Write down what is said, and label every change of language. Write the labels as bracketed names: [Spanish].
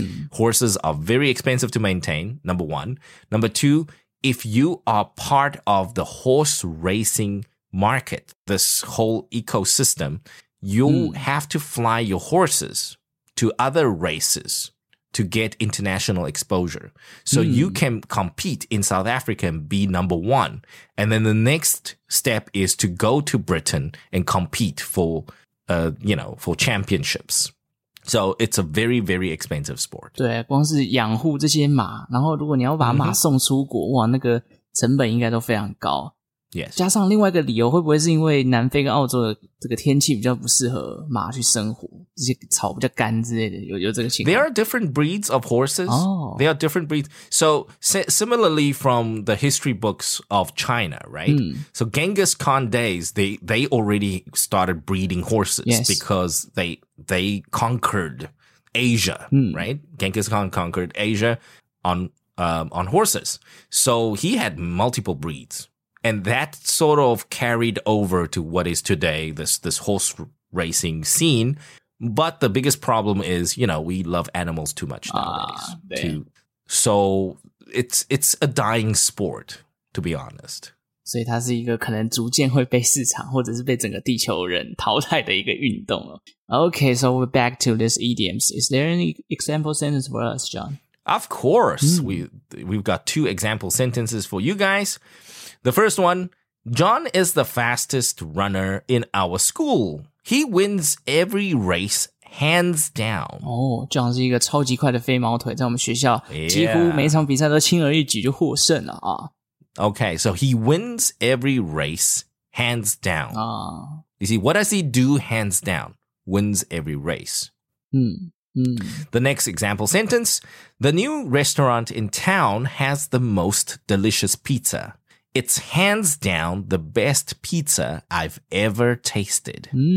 [English] Horses are very expensive to maintain, number one. Number two, if you are part of the horse racing market, this whole ecosystem, you have to fly your horses to other races to get international exposure. So you can compete in South Africa and be number one. And then the next step is to go to Britain and compete for, you know, for championships. So it's a very, very expensive sport. [Chinese] 对，光是养护这些马，然后如果你要把马送出国，哇，那个成本应该都非常高。 [English] Yes. [Chinese] 加上另外一个理由，会不会是因为南非跟澳洲的这个天气比较不适合马去生活，这些草比较干之类的，有这个情况。 [English] There are different breeds of horses. Oh. There are different breeds. So similarly from the history books of China, right? So Genghis Khan days, they already started breeding horses because they conquered Asia, right? Genghis Khan conquered Asia on horses. So he had multiple breeds. And that sort of carried over to what is today, this horse racing scene. But the biggest problem is, you know, we love animals too much nowadays. So it's a dying sport, to be honest. [Chinese] 所以它是一个可能逐渐会被市场或者是被整个地球人淘汰的一个运动了。 [English] Okay, so we're back to this idioms. Is there any example sentence for us, John? Of course. We've got two example sentences for you guys. The first one, John is the fastest runner in our school. He wins every race hands down. [Chinese] Oh, John 是一个超级快的飞毛腿，在我们学校几乎每场比赛都轻而易举就获胜了啊。 [English] Okay, so he wins every race hands down. Ah. You see, what does he do hands down? Wins every race. The next example sentence, the new restaurant in town has the most delicious pizza. It's hands down the best pizza I've ever tasted.